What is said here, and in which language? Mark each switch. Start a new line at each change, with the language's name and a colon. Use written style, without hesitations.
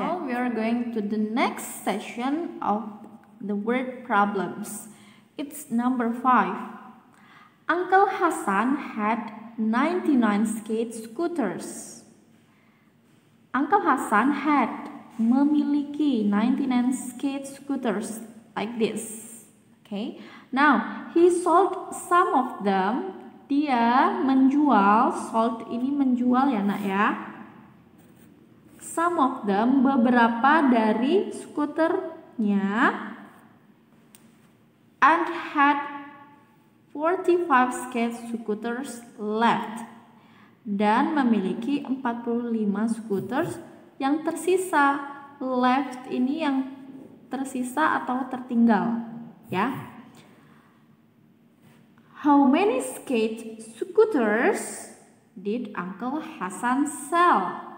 English: Now we are going to the next session of the word problems. It's number 5. Uncle Hassan had 99 skate scooters. Uncle Hasan had
Indonesian: memiliki
English: 99 skate scooters like this. Okay. Now, he sold some of them.
Indonesian: Dia menjual, sold ini menjual ya nak ya.
English: Some of them,
Indonesian: beberapa dari skuternya,
English: and had 45 skate scooters left,
Indonesian: dan memiliki 45 scooters yang tersisa. Left ini yang tersisa atau tertinggal, ya.
English: How many skate scooters did Uncle Hasan sell?